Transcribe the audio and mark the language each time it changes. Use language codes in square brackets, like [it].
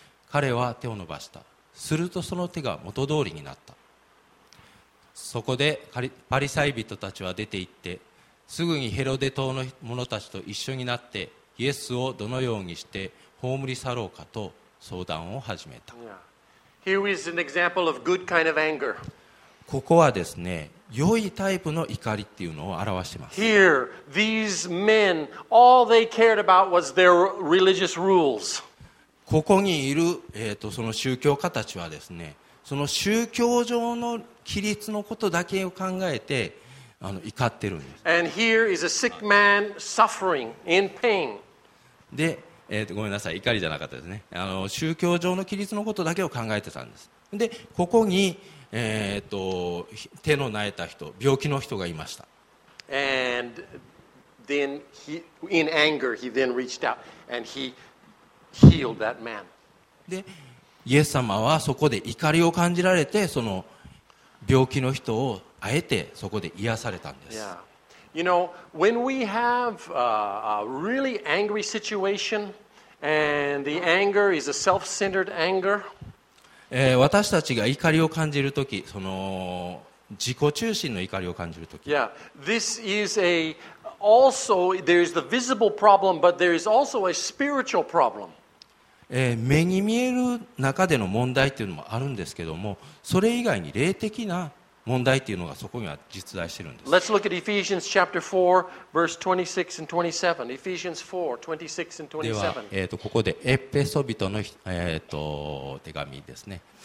[ja] 彼は手を伸ばした。するとその手が元通りになった。そこでパリサイ人たちは出て行って、すぐにヘロデ島の者たちと一緒になって、イエスをどのようにして葬り去ろうかと相談を始めた。 [en] Here is an example of good kind of anger. [ja] ここはですね、良いタイプの怒りっていうのを表しています。 [en] Here, these men, all they cared about was their religious rules. [ja] ここにいる、その宗教家たちはですね、その宗教上の規律のことだけを考えて怒ってるんです。 [en] And here is a sick man suffering in pain. [ja] で、ごめんなさい、怒りじゃなかったですね。宗教上の規律のことだけを考えてたんです。で、ここに、手のなえた人、病気の人がいました。 [en] And then he, in anger, he then reached out and he healed that man. [ja] で、イエス様はそこで怒りを感じられて、その病気の人をあえてそこで癒されたんです。 [en] You know, when we have a really angry situation and the anger is a self-centered anger, [ja] 私たちが怒りを感じるとき、その自己中心の怒りを感じるとき、 [en] yeah, this is a also there is the visible problem, but there is also a spiritual problem. [ja] 目に見える中での問題っていうのもあるんですけども、それ以外に霊的な問題というのがそこには実在しているんです。 [en] Let's look at Ephesians chapter 4, verse 26 and 27. Ephesians 4, 26 and 27. [ja] では、ここでエペソ人の、手紙ですね。